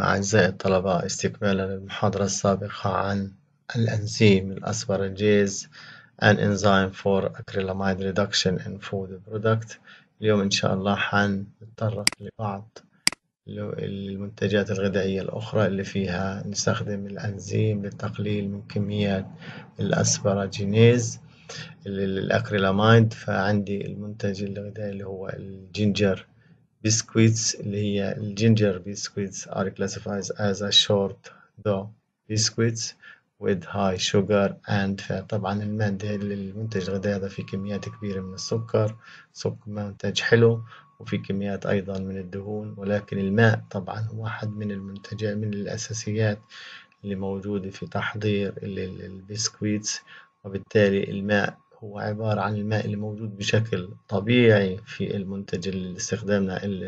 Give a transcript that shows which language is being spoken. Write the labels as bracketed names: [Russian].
[Arabic] أعزائي الطلبة، استكمالا للمحاضرة السابقة عن الأنزيم الأسفرنجيز [English] and enzyme for acrylamide reduction in food product، [Arabic] اليوم إن شاء الله حنتطرق لبعض المنتجات الغذائية الأخرى اللي فيها نستخدم الأنزيم للتقليل من كميات الأسفرجينيز للأكريلاميد. فعندي المنتج الغذائي اللي هو الجينجر بسكويتس، اللي هي الجينجر بسكويتس [English] are classified as a short dough biscuits with high sugar and fat. [Arabic] طبعا المادة للمنتج الغذائي هذا في كميات كبيرة من السكر، سكر منتج حلو، وفي كميات أيضا من الدهون، ولكن الماء طبعا هو واحد من المنتجات من الأساسيات اللي موجودة في تحضير البسكويتس، وبالتالي الماء هو عبارة عن الماء اللي موجود بشكل طبيعي في المنتج اللي استخدمنا